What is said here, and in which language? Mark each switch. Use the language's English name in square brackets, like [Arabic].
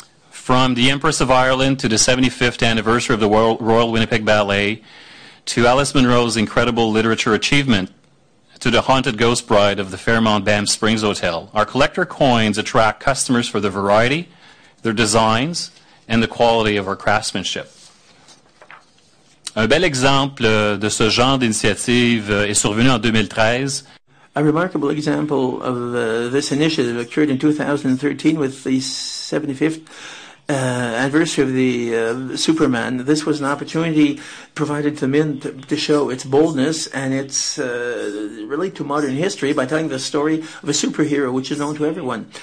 [English] From the Empress of Ireland to the 75th anniversary of the Royal Winnipeg Ballet, to Alice Munro's incredible literature achievement, to the haunted ghost bride of the Fairmont Banff Springs Hotel, our collector coins attract customers for the variety, their designs, and the quality of our craftsmanship. [French] Un bel exemple de ce genre d'initiative est survenu en 2013. [English] A remarkable example of this initiative occurred in 2013 with the 75th anniversary of the Superman. This was an opportunity provided to Mint to show its boldness and its relate to modern history by telling the story of a superhero which is known to everyone.